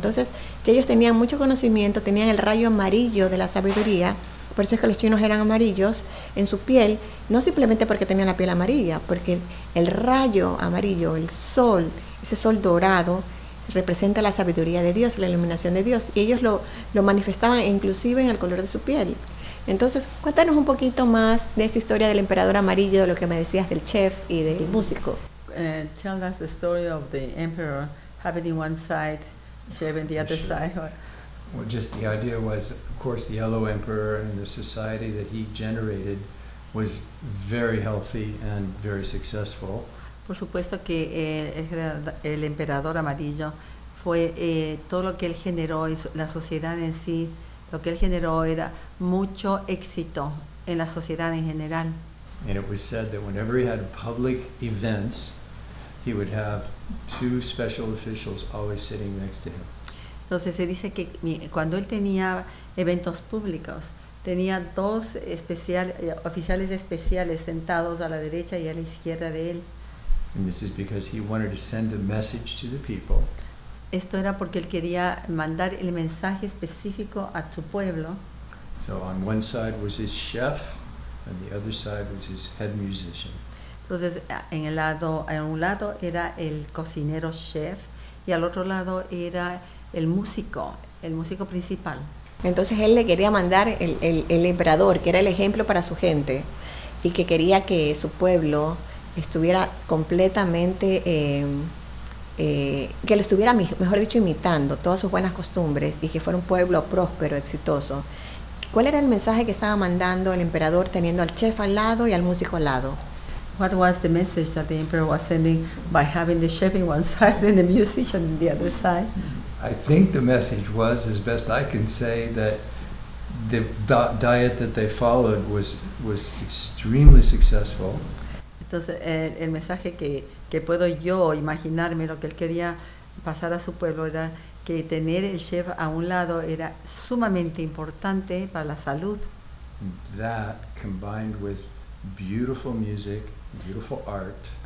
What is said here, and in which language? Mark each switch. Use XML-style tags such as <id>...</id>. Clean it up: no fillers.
<es>Entonces, ellos tenían mucho conocimiento, tenían el rayo amarillo de la sabiduría, por eso es que los chinos eran amarillos en su piel, no simplemente porque tenían la piel amarilla, porque el rayo amarillo, el sol, ese sol dorado, representa la sabiduría de Dios, la iluminación de Dios, y ellos lo manifestaban inclusive en el color de su piel. Entonces, cuéntanos un poquito más de esta historia del emperador amarillo, de lo que me decías del chef y del músico.</es> <en>Tell us the story of the emperor having in one side, chef in the other side. Well, just the idea was, of course, the yellow emperor and the society that he generated was very healthy and very successful.</en> <es>Por supuesto que el emperador amarillo fue todo lo que él generó y la sociedad en sí. Lo que él generó era mucho éxito en la sociedad en general.</es> <en>And it was said that whenever he had public events, he would have two special officials always sitting next to him.</en> <es>Entonces se dice que cuando él tenía eventos públicos, tenía dos oficiales especiales sentados a la derecha y a la izquierda de él.</es> <en>And this is because he wanted to send a message to the people.</en> <es>Esto era porque él quería mandar el mensaje específico a su pueblo.</es> <en>So on one side was his chef, and the other side was his head musician.</en> <es>Entonces, en un lado era el cocinero chef y al otro lado era el músico principal. Entonces él le quería mandar el emperador, que era el ejemplo para su gente, y que quería que su pueblo estuviera completamente, que lo estuviera, mejor dicho, imitando todas sus buenas costumbres y que fuera un pueblo próspero, exitoso. ¿Cuál era el mensaje que estaba mandando el emperador teniendo al chef al lado y al músico al lado?</es> <en>What was the message that the emperor was sending by having the chef in one side and the musician in the other side? I think the message was, as best I can say, that the diet that they followed was extremely successful.</en> <es>Entonces, el mensaje que puedo yo imaginarme, lo que él quería pasar a su pueblo era que tener el chef a un lado era sumamente importante para la salud.</es> <en>That combined with beautiful music. Beautiful art</en>